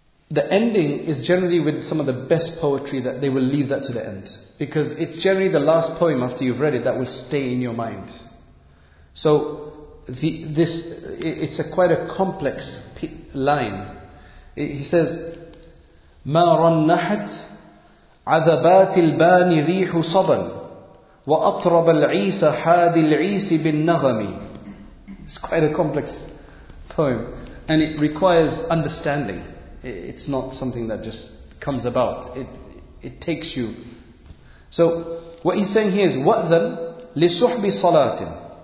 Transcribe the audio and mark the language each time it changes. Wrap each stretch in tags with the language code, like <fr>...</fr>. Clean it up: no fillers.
<en>The ending is generally with some of the best poetry, that they will leave that to the end. Because it's generally the last poem after you've read it that will stay in your mind. So it's quite a complex line. He says,</en> <ar>مَا رَنَّحَتْ عَذَبَاتِ الْبَانِ رِيحُ صَبًا وَأَطْرَبَ الْعِيسَ حَادِ الْعِيسِ بِالنَّغَمِ.</ar> <en>It's quite a complex poem. And it requires understanding. It's not something that just comes about. It takes you. So what he's saying here is,</en> <ar>وَأْذَنْ لِسُحْبِ صَلَاتٍ.</ar>